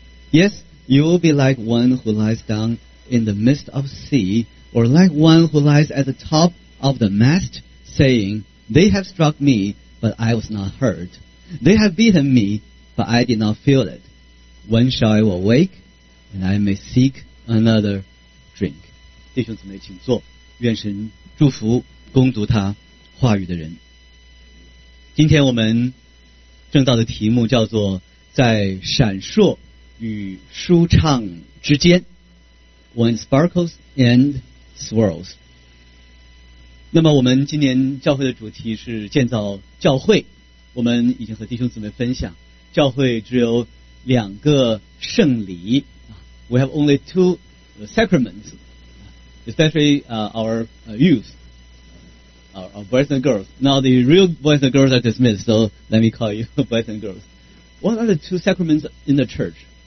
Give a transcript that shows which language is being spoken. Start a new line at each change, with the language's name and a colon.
English: Yes, you will be like one who lies down in the midst of sea, or like one who lies at the top of the mast, saying, They have struck me, but I was not hurt. They have beaten me, but I did not feel it. When shall I awake, and I may seek another drink?
Chinese: 弟兄姊妹请坐，愿神祝福攻读他话语的人。今天我们正道的题目叫做在闪烁与舒畅之间，
English: When sparkles and swirls。
Chinese: 那么我们今年教会的主题是建造教会，我们已经和弟兄姊妹分享，教会只有两个圣礼。
English: We have only two sacraments, especially our boys and girls. Now the real boys and girls are dismissed, so let me call you boys and girls. What are the two sacraments in the church?